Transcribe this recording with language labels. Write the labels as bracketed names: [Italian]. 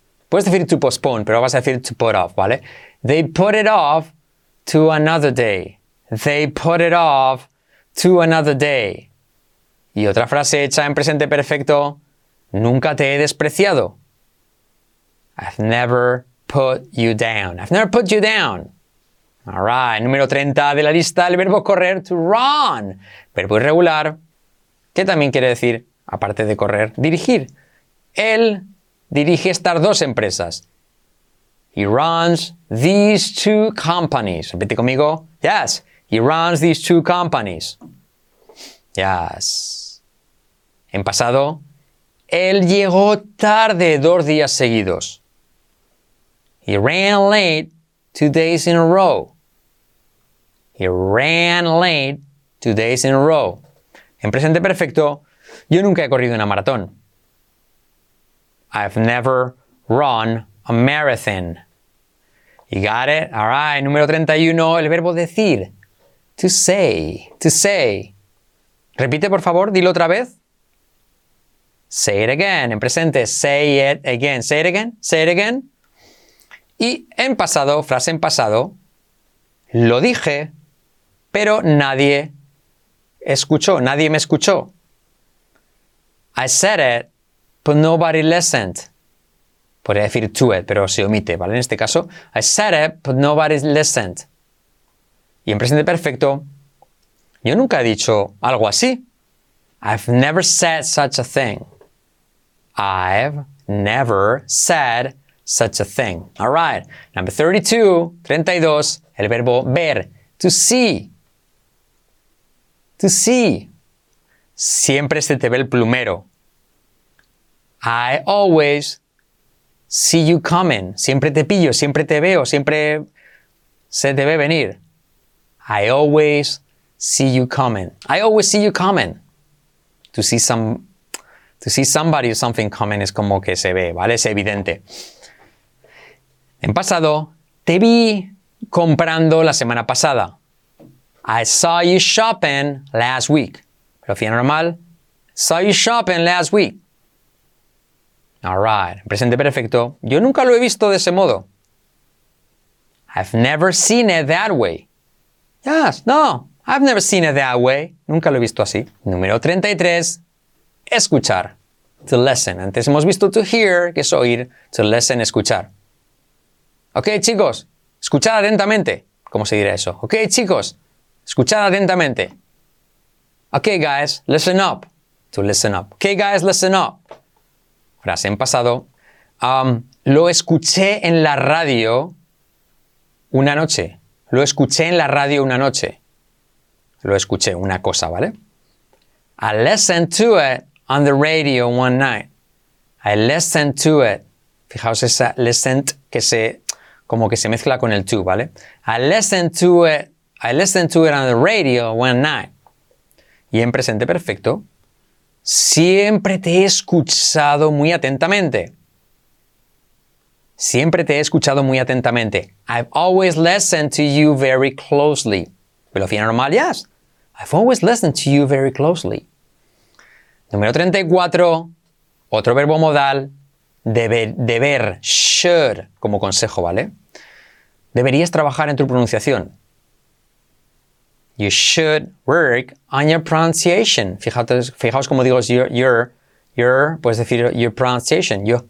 [Spanish] Puedes decir to postpone, pero vas a decir to put off, ¿vale? [English] They put it off to another day. They put it off to another day. [Spanish] Y otra frase hecha en presente perfecto. Nunca te he despreciado. [English] I've never put you down. I've never put you down. All right. [Spanish] Número 30 de la lista, el verbo correr, [English] to run. [Spanish] Verbo irregular, que también quiere decir, aparte de correr, dirigir. Él dirige estas dos empresas. [English] He runs these two companies. [Spanish] Repite conmigo. [English] Yes. He runs these two companies. Yes. [Spanish] En pasado, él llegó tarde dos días seguidos. [English] He ran late 2 days in a row. He ran late 2 days in a row. [Spanish] En presente perfecto, yo nunca he corrido una maratón. [English] I've never run a marathon. You got it? All right, [Spanish] número 31, el verbo decir. [English] To say, to say. [Spanish] Repite, por favor, dilo otra vez. [English] Say it again, [Spanish] en presente, [English] say it again, say it again, say it again. [Spanish] Y en pasado, frase en pasado, lo dije, pero nadie escuchó, nadie me escuchó. [English] I said it, but nobody listened. [Spanish] Podría decir to it, pero se omite, ¿vale? En este caso, [English] I said it, but nobody listened. [Spanish] Y en presente perfecto, yo nunca he dicho algo así. [English] I've never said such a thing. I've never said such a thing. All right. Number 32, [Spanish] el verbo ver, [English] to see. To see. [Spanish] Siempre se te ve el plumero. [English] I always see you coming. [Spanish] Siempre te pillo, siempre te veo, siempre se te ve venir. [English] I always see you coming. I always see you coming. To see somebody or something coming [Spanish] es como que se ve, ¿vale? Es evidente. En pasado, te vi comprando la semana pasada. [English] I saw you shopping last week. [Spanish] Pero fíjate normal. [English] Saw you shopping last week. All right. [Spanish] Presente perfecto. Yo nunca lo he visto de ese modo. [English] I've never seen it that way. Yes, no. I've never seen it that way. [Spanish] Nunca lo he visto así. Número 33. Escuchar. [English] To listen. [Spanish] Antes hemos visto to hear, que es oír. [English] To listen, [Spanish] escuchar. [English] Ok, [Spanish] chicos. Escuchad atentamente. ¿Cómo se dirá eso? Ok, chicos. Escuchad atentamente. [English] Ok, guys. Listen up. To listen up. Ok, guys. Listen up. [Spanish] Frase en pasado. Lo escuché en la radio una noche. Lo escuché en la radio una noche. Lo escuché. Una cosa, ¿vale? [English] I listened to it on the radio one night. I listened to it. [Spanish] Fijaos esa [English] listened [Spanish] que se... como que se mezcla con el to, ¿vale? [English] I listened to it on the radio one night. [Spanish] Y en presente perfecto, siempre te he escuchado muy atentamente. Siempre te he escuchado muy atentamente. [English] I've always listened to you very closely. [Spanish] Velocidad normal, [English] yes. I've always listened to you very closely. [Spanish] Número 34, otro verbo modal, deber, should, como consejo, ¿vale? Deberías trabajar en tu pronunciación. [English] You should work on your pronunciation. [Spanish] Fijaos cómo digo your, puedes decir your pronunciation.